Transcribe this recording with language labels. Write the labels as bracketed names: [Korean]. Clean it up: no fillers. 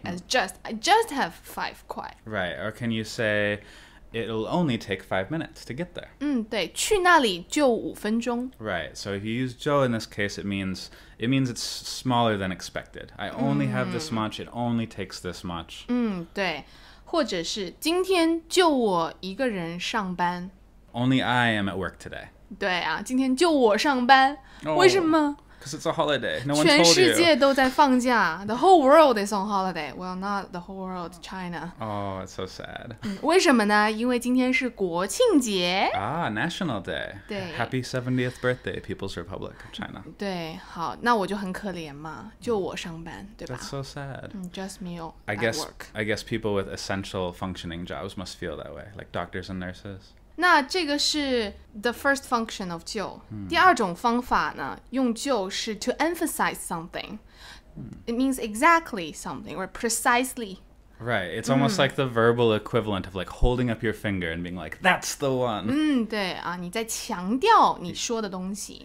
[English] As just, I just have 5 kuai. Right, or can you say it'll only take 5 minutes to get there? [Chinese] 对，去那里就五分钟。 [English] Right, so if you use 就 in this case, it means it's smaller than expected. I only have this much, it only takes this much. [Chinese] 对，或者是今天就我一个人上班。 [English] Only I am at work today. [Chinese] 对啊，今天就我上班。为什么？ [English] Because it's a holiday. No one told you. [Chinese] 全世界都在放假。 [English] The whole world is on holiday. Well, not the whole world, China. Oh, it's so sad. [Chinese] 为什么呢？因为今天是国庆节。 [English] Ah, National Day. [Chinese] 对。 [English] Happy 70th birthday, People's Republic of China. [Chinese] 对，好，那我就很可怜嘛，就我上班，对吧？ [English] That's so sad. Just me at work. I guess people with essential functioning jobs must feel that way, like doctors and nurses. [Chinese] 那这个是 [English] the first function of [Chinese] 就。第二种方法呢，用就是 [English] to emphasize something. It means exactly something or precisely. Right, it's almost like the verbal equivalent of like holding up your finger and being like, that's the one. [Chinese] 对啊，你在强调你说的东西。